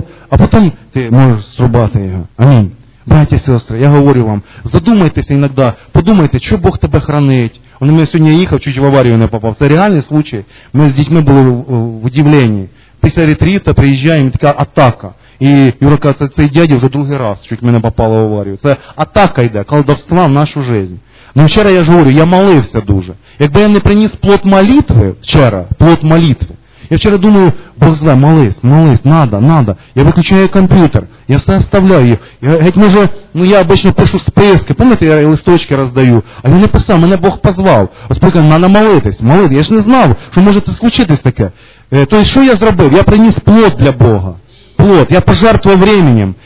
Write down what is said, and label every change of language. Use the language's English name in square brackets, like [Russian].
[Ukrainian] А потім ти можеш зрубати його. Амінь. [Russian] Братья и сестры, я говорю вам, задумайтесь иногда, подумайте, что Бог тебе хранит. Он у меня сегодня ехал, чуть в аварию не попал. Это реальный случай. Мы с детьми были в удивлении. После ретрита приезжаем, такая атака. И Юра говорит, это дядя уже другий раз чуть меня попало в аварию. Это атака идет, колдовство в нашу жизнь. Но вчера я же говорю, я молился дуже. [Ukrainian] Якби я не принес плод молитвы вчера, плод молитвы, я вчера думаю, Бог знає, молись, надо. Я виключаю комп'ютер, я все оставляю. Я геть може, ну я обично пишу списки, пам'ятаєте, я листочки роздаю. А він написав, мене Бог позвав. Оскільки треба молитись. Я ж не знав, що може це случитись таке. Тобто, що я зробив? Я приніс плод для Бога. Плод, я пожертвував временем.